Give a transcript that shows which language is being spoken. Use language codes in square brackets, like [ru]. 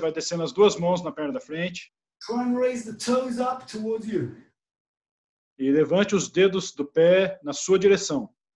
[pt] Vai descendo as duas mãos na perna da frente. [en] Try and raise the toes up towards you. [pt] E levante os dedos do pé na sua direção.